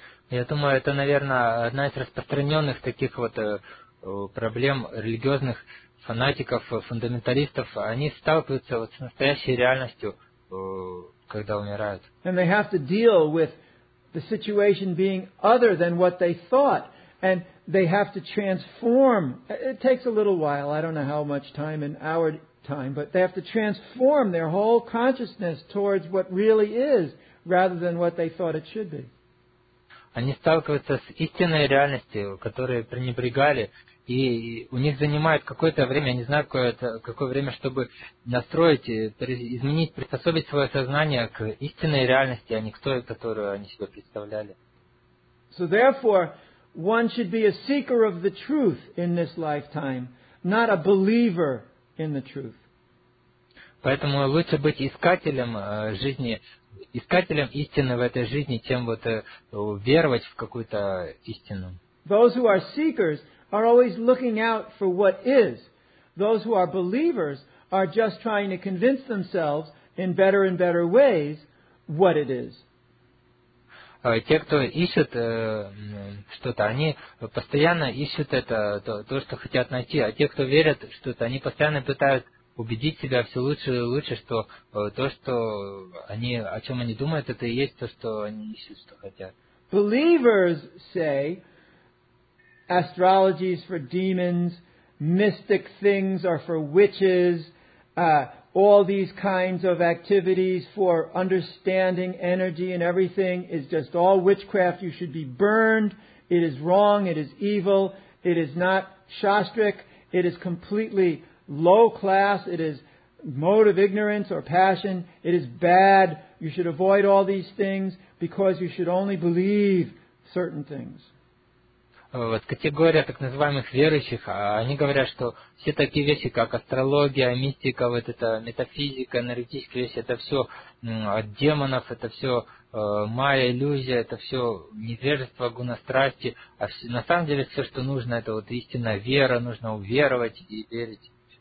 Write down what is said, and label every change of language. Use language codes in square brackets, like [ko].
[ru] Я думаю, это, наверное, одна из распространенных таких вот проблем религиозных фанатиков, фундаменталистов. Они сталкиваются вот с настоящей реальностью, когда умирают. [en] And they have to deal with the situation being other than what they thought. And they have to transform. It takes a little while. I don't know how much time in our time, but they have to transform their whole consciousness towards what really is, rather than what they thought it should be. [ru] Они сталкиваются с истинной реальностью, которую пренебрегали, и у них занимает какое-то время, я не знаю, какое время, чтобы изменить, приспособить свое сознание к истинной реальности, а не к той, которую они себе представляли. [en] So therefore, one should be a seeker of the truth in this lifetime, not a believer in the truth. [ru] Поэтому лучше быть искателем жизни, искателем истины в этой жизни, чем вот веровать в какую-то истину. [en] Those who are seekers are always looking out for what is. Those who are believers are just trying to convince themselves in better and better ways what it is. [ru] Те, кто ищут что-то, они постоянно ищут это, то, что хотят найти. А те, кто верят что-то, они постоянно пытаются убедить себя все лучше и лучше, что то, что они, о чем они думают, это и есть то, что они ищут, что хотят. [en] Believers say astrology is for demons, mystic things are for witches, all these kinds of activities for understanding energy and everything is just all witchcraft. You should be burned. It is wrong. It is evil. It is not shastric. It is completely low class. It is mode of ignorance or passion. It is bad. You should avoid all these things because you should only believe certain things. [ru] Вот категория так называемых верующих, они говорят, что все такие вещи, как астрология, мистика, вот это метафизика, энергетические вещи, это все от демонов, это все майя, иллюзия, это все невежество, гунастрасти. А все, на самом деле все, что нужно, это вот истинная вера, нужно уверовать и верить.